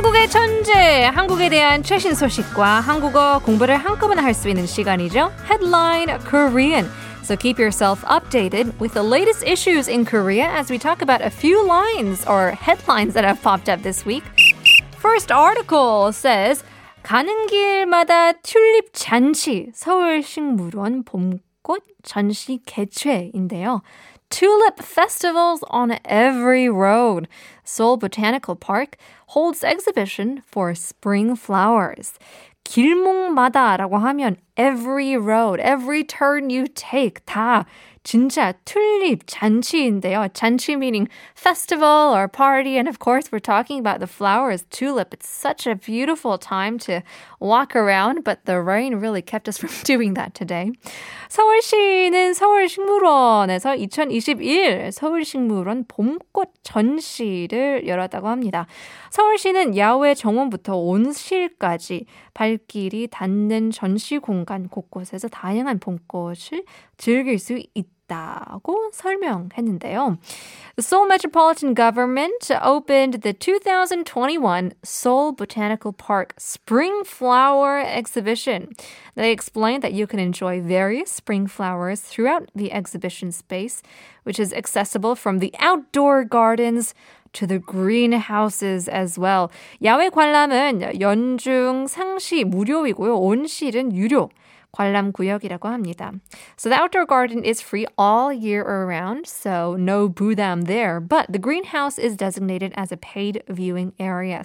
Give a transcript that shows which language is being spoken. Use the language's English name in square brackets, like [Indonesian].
[Korean] 현재 한국에 대한 최신 소식과 한국어 공부를 한꺼번에 할 수 있는 시간이죠. [English] Headline Korean. So keep yourself updated with the latest issues in Korea as we talk about a few lines or headlines that have popped up this week. First article says, [Korean] 가는 길마다 튤립 잔치, 서울식 물원 봄꽃 잔치 개최인데요. [English] Tulip festivals on every road. Seoul Botanical Park holds exhibition for spring flowers. [Korean] 길목마다라고 하면 [English] every road, every turn you take [Korean] 다 진짜 튤립 잔치인데요. [English] 잔치 meaning festival or party. And of course, we're talking about the flowers, tulip. It's such a beautiful time to walk around, but the rain really kept us from doing that today. [Korean] 서울시는 서울식물원에서 2021 서울식물원 봄꽃 전시를 열었다고 합니다. 서울시는 야외 정원부터 온실까지 발길이 닿는 전시 공간 곳곳에서 다양한 봄꽃을 즐길 수 있다. 라고 설명했는데요. [English] The Seoul Metropolitan Government opened the 2021 Seoul Botanical Park Spring Flower Exhibition. They explained that you can enjoy various spring flowers throughout the exhibition space, which is accessible from the outdoor gardens to the greenhouses as well. [Korean] 야외 관람은 연중 상시 무료이고요. 온실은 유료. 관람 구역이라고 합니다. [English] So the outdoor garden is free all year around, so no boo-dam there. But the greenhouse is designated as a paid viewing area.